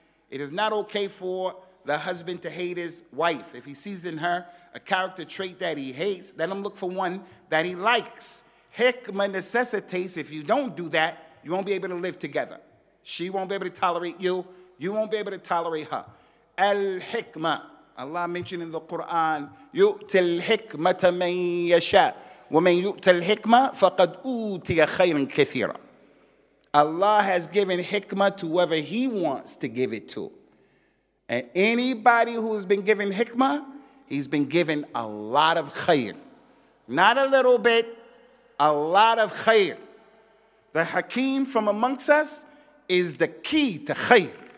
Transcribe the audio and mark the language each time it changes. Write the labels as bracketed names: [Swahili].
[English] It is not okay for the husband to hate his wife. If he sees in her a character trait that he hates, let him look for one that he likes. Hikmah necessitates, if you don't do that, you won't be able to live together. She won't be able to tolerate you. You won't be able to tolerate her. Al-hikmah. Allah mentioned in the Quran, [Arabic] يُؤْتِ الْحِكْمَةَ مَنْ يَشَاءُ وَمَنْ يُؤْتَ الْحِكْمَةَ فَقَدْ أُوْتِيَ خَيْرًا كَثِيرًا. [English] Allah has given hikmah to whoever he wants to give it to. And anybody who has been given hikmah, he's been given a lot of khayr. Not a little bit, a lot of khayr. The hakim from amongst us is the key to khayr.